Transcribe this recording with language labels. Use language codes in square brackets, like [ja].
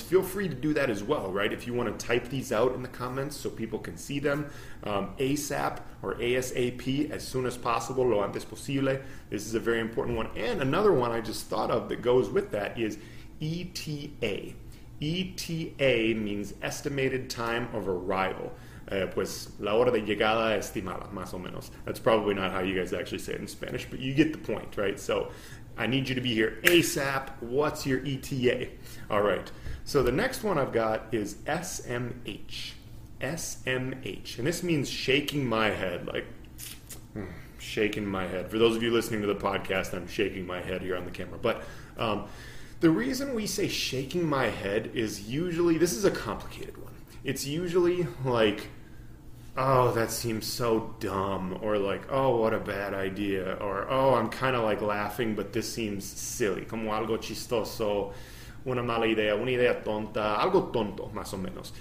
[en] Feel free to do that as well, right? If you want to type these out in the comments so people can see them, ASAP or ASAP, as soon as possible, [es] lo antes posible. [en] This is a very important one. And another one I just thought of that goes with that is ETA. ETA means estimated time of arrival. [es] Pues la hora de llegada estimada, más o menos. [en] That's probably not how you guys actually say it in Spanish, but you get the point, right? So I need you to be here ASAP. What's your ETA? All right. So the next one I've got is SMH. SMH. And this means shaking my head, like shaking my head. For those of you listening to the podcast, I'm shaking my head here on the camera. But the reason we say shaking my head is usually, this is a complicated one. It's usually like, oh, that seems so dumb, or like, oh, what a bad idea, or oh, I'm kind of like laughing, but this seems silly. [es] Como algo chistoso, una mala idea, una idea tonta, algo tonto, más o menos.